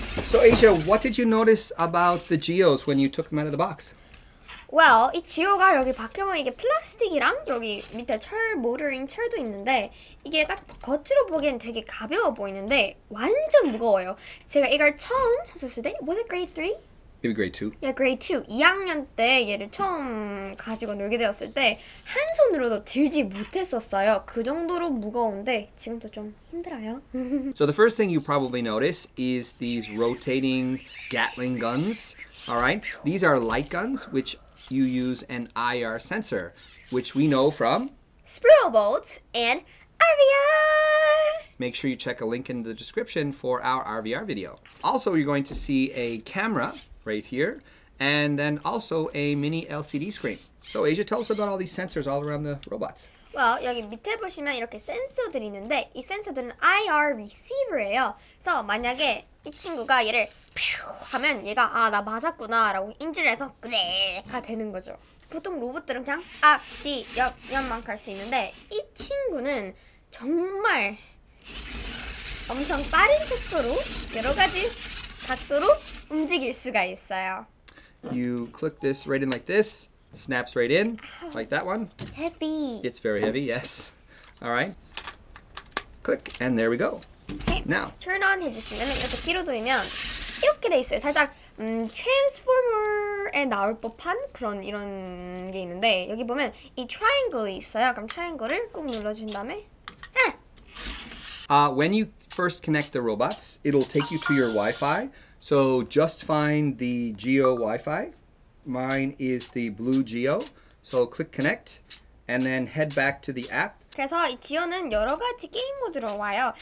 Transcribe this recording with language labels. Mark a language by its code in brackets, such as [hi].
[en] So Aisha, what did you notice about the Geios when you took them out of the box? [ko] Well, 이 지오가 여기 바퀴만 이게 플라스틱이랑 여기 밑에 철 모터링 철도 있는데 이게 딱 겉으로 보기엔 되게 가벼워 보이는데 완전 무거워요. 제가 이걸 처음 샀었을 때 [en] was it grade 3? Maybe grade 2. Yeah, grade 2. [ko] 2학년 때 얘를 처음 가지고 놀게 되었을 때 한 손으로도 들지 못했었어요. 그 정도로 무거운데 지금도 좀 힘들어요. [en] So the first thing you probably notice is these rotating Gatling guns. All right, these are light guns, which you use an IR sensor, which we know from... Sprue bolts and RVR! Make sure you check a link in the description for our RVR video. Also, you're going to see a camera right here, and then also a mini LCD screen. So, Aisha, tell us about all these sensors all around the robots. [ko] Well, 여기 밑에 보시면 이렇게 센서들이 있는데, 이 센서들은 IR receiver예요. So, 만약에 이 친구가 얘를... 하면 얘가 아 나 맞았구나 라고 인지를 해서 그래가 되는 거죠. 보통 로봇들은 그냥 앞, 뒤, 옆, 옆만 갈 수 있는데 이 친구는 정말 엄청 빠른 속도로 여러 가지 각도로 움직일 수가 있어요. [en] You click this right in like this, snaps right in, like that one. Heavy. It's very heavy, yes. Alright, click and there we go. [ko] Okay. Now. [en] Turn on [ko] 해주시면 이렇게 키로 돌리면 이렇게 돼 있어요. 살짝 트랜스포머에 나올 법한 그런 이런 게 있는데 여기 보면 이 트라이앵글이 있어요. 그럼 트라이앵글을 꾹 눌러준 다음에 [en] When you first connect the robots, it'll take you to your Wi-Fi. So just find the Geio Wi-Fi. Mine is the blue Geio. So click connect and then head back to the app. [ko] 그래서 이 지오는 여러 가지 게임 모드로 와요.